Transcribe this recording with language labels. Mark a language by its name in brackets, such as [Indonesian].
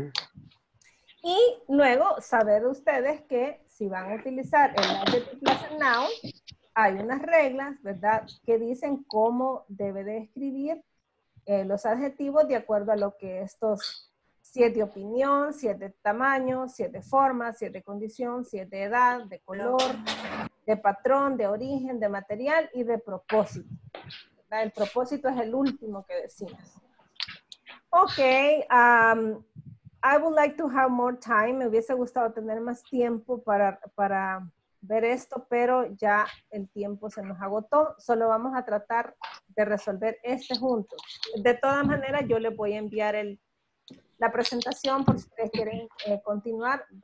[Spanish] Mm-hmm. Y luego saber ustedes que si van a utilizar el adjective plus el noun, hay unas reglas, ¿verdad?, que dicen cómo debe de escribir los adjetivos de acuerdo a lo que estos, si es de opinión, si es de tamaño, si es de forma, si es de condición, si es de edad, de color, de patrón, de origen, de material y de propósito. ¿Verdad? El propósito es el último que decimos. [English] Ok, I would like to have more time. [Spanish] Me hubiese gustado tener más tiempo para ver esto, pero ya el tiempo se nos agotó. Solo vamos a tratar de resolver este junto. De todas maneras, yo les voy a enviar la presentación por si ustedes quieren continuar.